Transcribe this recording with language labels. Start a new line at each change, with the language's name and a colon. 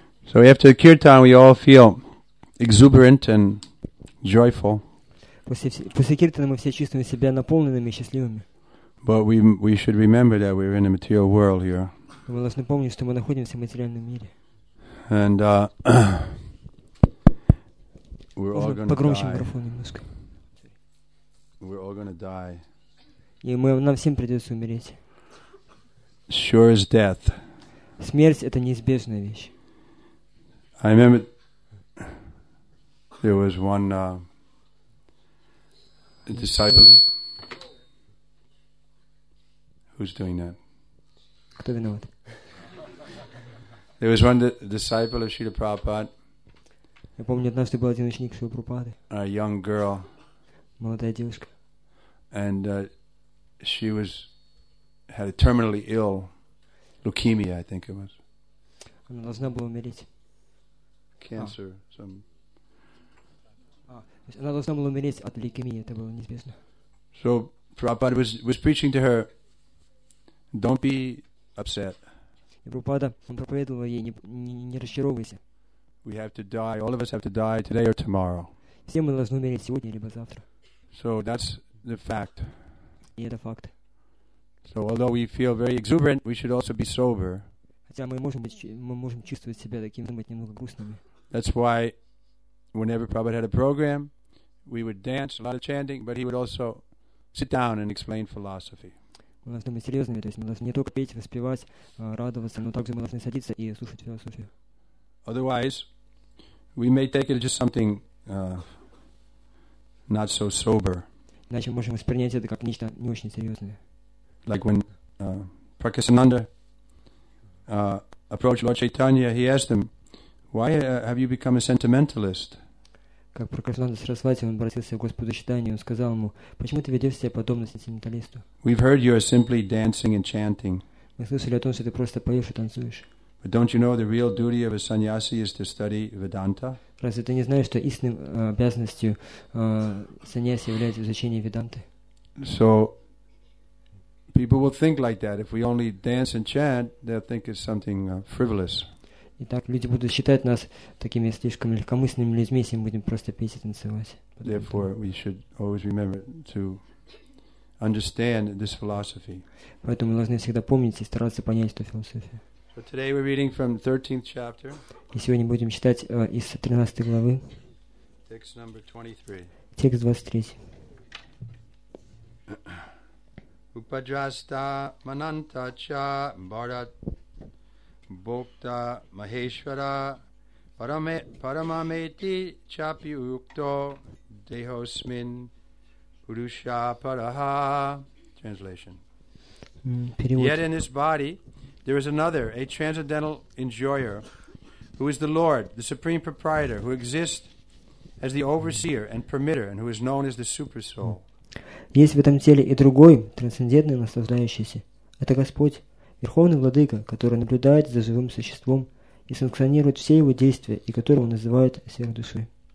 English: So after the kirtan, we all feel exuberant and joyful.
Russian: После киртана мы все чувствуем себя наполненными и счастливыми.
English: But we should remember that we're in a material world here.
Russian: Мы должны помнить, что мы находимся в материальном мире.
English: And we're all going to die.
Russian: Погромче микрофон немножко.
English: We're all going to die.
Russian: И мы нам всем придется умереть.
English: Sure as death.
Russian: Смерть — это неизбежная вещь.
English: I remember there was one disciple. Who's doing that?
Russian: Кто виноват?
English: There was one disciple of Srila Prabhupada.
Russian: Я помню, однажды был один ученик Шрилы Прабхупады.
English: A young girl.
Russian: Молодая девушка.
English: And she was had a terminally ill leukemia, I think it was.
Russian: Она должна была умереть.
English: Cancer, some.
Russian: То есть она должна была умереть от лейкемии, это было неизвестно.
English: So Prabhupada was preaching to her, don't be upset.
Russian: И Прабхупада, он проповедовал ей, не расчаровывайся.
English: We have to die, all of us have to die today or tomorrow.
Russian: Все мы должны умереть сегодня либо завтра.
English: So that's the fact.
Russian: И это факт.
English: So although we feel very exuberant, we should also be sober.
Russian: Хотя мы можем чувствовать себя таким, быть немного грустными.
English: That's why whenever Prabhupada had a program, we would dance, a lot of chanting, but he would also sit down and explain philosophy.
Russian: Мы должны быть серьезными, то есть мы должны не только петь, воспевать, радоваться, но также мы должны садиться и слушать философию.
English: Otherwise, we may take it as just something not so sober.
Russian: Иначе мы можем воспринять это как нечто не очень серьезное.
English: Like when Prakasananda approached Lord Chaitanya, he asked him, why have you become a sentimentalist?
Russian: Как Прокашнанда Сарасвати, он обратился к Господу Читанию, он сказал ему, почему ты ведешь себя подобно сентименталисту?
English: We've heard you are simply dancing and chanting.
Russian: Мы слышали о том, что ты просто поешь и танцуешь.
English: But don't you know the real duty of a sannyasi is to study Vedanta?
Russian: Разве ты не знаешь, что истинной обязанностью сannyasi является изучение Веданты?
English: So, people will think like that. If we only dance and chant, they'll think it's something frivolous.
Russian: Итак, люди будут считать нас такими слишком легкомысленными людьми, если мы будем просто петь и танцевать.
English: Therefore, we should always remember to understand this philosophy.
Russian: Поэтому мы должны всегда помнить и стараться понять эту философию.
English: So today we're reading from the 13th chapter.
Russian: И сегодня будем читать из 13 главы.
English: Text number 23.
Russian: Текст 23.
Sanskrit: Upadrasta mananta cha bharat bhokta maheshvara paramameti chapi ukto dehosmin purusha paraha.
English: Translation. Yet in this body there is another, a transcendental enjoyer, who is the Lord, the supreme proprietor, who exists as the overseer and permitter, and who is known as the supersoul.
Russian: Есть в этом теле и другой, трансцендентный, наслаждающийся. Это Господь, Верховный Владыка, который наблюдает за живым существом и санкционирует все его действия, и которого называют сверхдушой.